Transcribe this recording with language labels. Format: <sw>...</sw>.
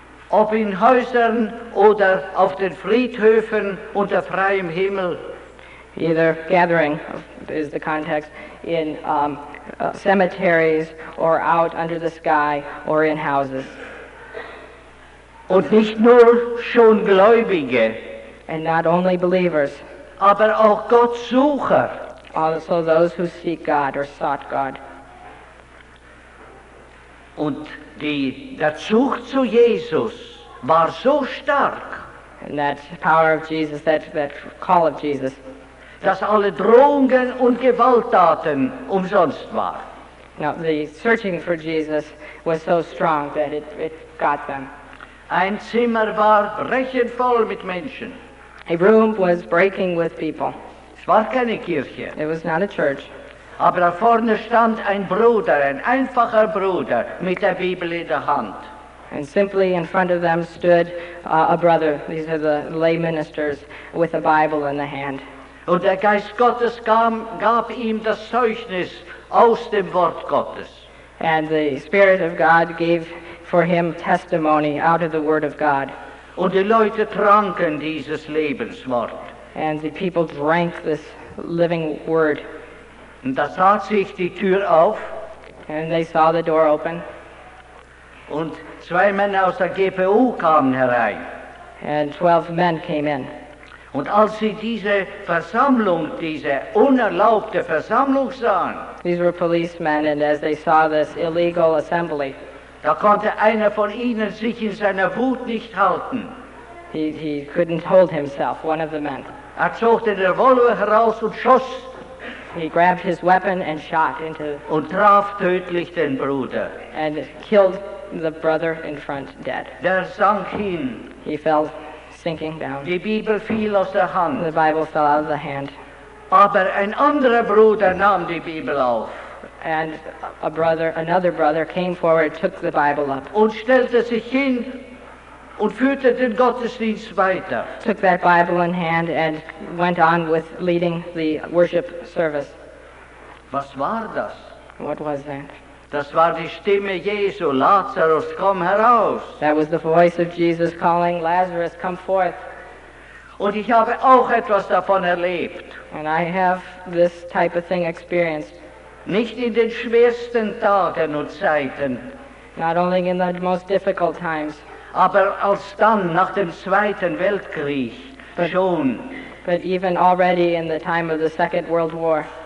<de>Ob in Häusern oder auf den Friedhöfen unter freiem Himmel.</de> <en>Either gathering is the context in cemeteries or out under the sky or in houses.</en> <de>Und nicht nur schon Gläubige.</de> <en>And not only believers.</en> <de>Aber auch Gottsucher.</de> <en>Also those who seek God or sought God.</en> <de>Und der Zug zu Jesus war so stark.</de> <en>And that power of Jesus, that call of Jesus.</en> <de>Dass alle Drohungen und Gewalttaten umsonst war.</de> <en>Now, the searching for Jesus was so strong that it got them.</en> <de>Ein Zimmer war brechend voll mit Menschen.</de> <en>A room was breaking with people.</en> <de>Es war keine Kirche.</de> <en>It was not a church.</en> <de>Aber da vorne stand ein Bruder, ein einfacher Bruder, mit der Bibel in der Hand.</de> <en>And simply in front of them stood a brother. These are the lay ministers with a Bible in the hand.</en> <de>Und der Geist Gottes gab ihm das Zeugnis aus dem Wort Gottes.</de> <en>And the Spirit of God gave for him testimony out of the Word of God.</en> <de>Und die Leute tranken dieses Lebenswort.</de> <en>And the people drank this living Word.</en> <de>Und da tat sich die Tür auf.</de> <en>And they saw the door open.</en> <de>Und zwei Männer aus der GPU kamen herein.</de> <en>And 12 men came in.</en> <de>Und als sie diese Versammlung, diese unerlaubte Versammlung sahen.</de> <en>These were policemen, and as they saw this illegal assembly.</en> <de>Da konnte einer von ihnen sich in seiner Wut nicht halten.</de> <en>He couldn't hold himself, one of the men.</en> <de>Er zog den Revolver heraus und schoss.</de> <en>He grabbed his weapon and shot into.</en> <de>Und traf tödlich den Bruder.</de> <en>And killed the brother in front dead.</en> <de>Der sank hin.</de> <en>He fell sinking down.</en> <de>Die Bibel fiel aus der Hand.</de> <en>The Bible fell out of the hand.</en> <de>Aber ein anderer Bruder nahm die Bibel auf.</de> <en>And another brother came forward, took the Bible up.</en> <de>Und stellte sich hin und führte den Gottesdienst weiter.</de> <en>Took that Bible in hand and went on with leading the worship service.</en> <de>Was war das?</de> <en>What was that?</en> <de>Das war die Stimme Jesu, Lazarus, komm heraus.</de> <en>That was the voice of Jesus calling, Lazarus, come forth.</en> <de>Und ich habe auch etwas davon erlebt.</de> <en>And I have this type of thing experienced.</en> <de>Nicht in den schwersten Tagen und Zeiten.</de> <en>Not only in the most difficult times.</en> <de>Aber als dann, nach dem Zweiten Weltkrieg, schon.</de> <en>But even already in the time of the Second World War.</en>